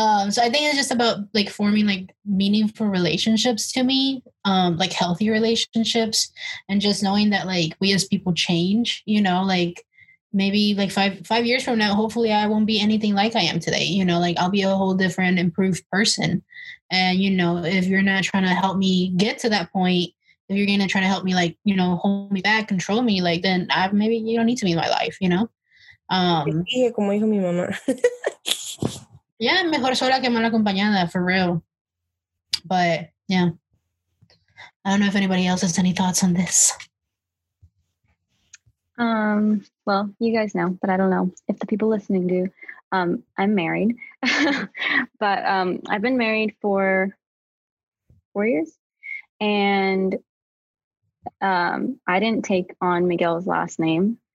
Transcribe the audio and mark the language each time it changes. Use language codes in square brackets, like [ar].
[en] So I think it's just about like forming like meaningful relationships to me, like healthy relationships, and just knowing that like we as people change, you know, like maybe like five years from now, hopefully I won't be anything like I am today. You know, like I'll be a whole different improved person. And, you know, if you're not trying to help me get to that point, if you're going to try to help me like, you know, hold me back, control me, like then maybe you don't need to be in my life, you know? [es] Como dijo mi mamá. Yeah, mejor sola que mal acompañada, [en] for real. But yeah, I don't know if anybody else has any thoughts on this. Well, you guys know, but I don't know if the people listening do. I'm married, but I've been married for 4 years, and I didn't take on Miguel's last name.